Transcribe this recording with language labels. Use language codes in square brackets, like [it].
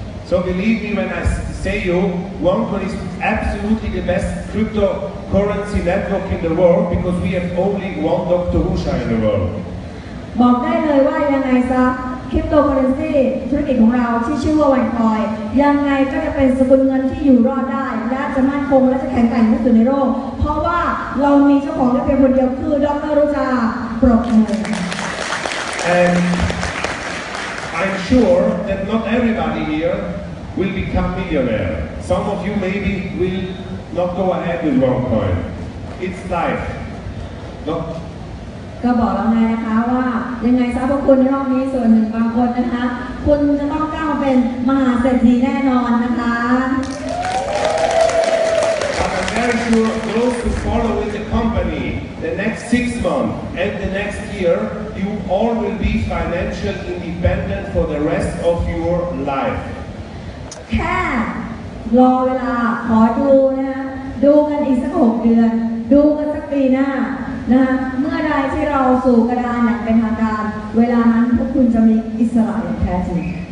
[en] So believe me when I say you OneCoin is absolutely the best cryptocurrency network in the world because we have only one Dr. Husha in the world [th] บอกได้เลยว่ายังไงซะคริปโตเคอเรนซีธุรกิจของเราที่ชื่อว่าวันคอยยังไงก็จะเป็นสกุลเงินที่อยู่รอดได้และจะมั่นคงและจะแข็งแกร่งที่สุดในโลกเพราะว่าเรามีเจ้าของได้เพียงคนเดียวคือดร. รุจาปรบมือ [en] And I'm sure that not everybody here will become millionaire. Some of you maybe will not go ahead with one coin. It's life. Not [th] ก็บอกแล้วไงนะคะว่ายังไงซับคุณในรอบนี้ส่วนหนึ่งบางคนนะคะคุณจะต้องก้าวเป็นมหาเศรษฐีแน่นอนนะคะ [en] I'm very sure those who follow with the company the next 6 months and the next year you all will be financial independent for the rest of your life [th] แค่รอเวลาขอดูนะดูกันอีกสัก6เดือนดูกันสักปีหน้านะเมื่อใดที่เราสู่กระดานอย่างเป็นทางการเวลานั้นพวกคุณจะมีอิสระอย่างแท้จริง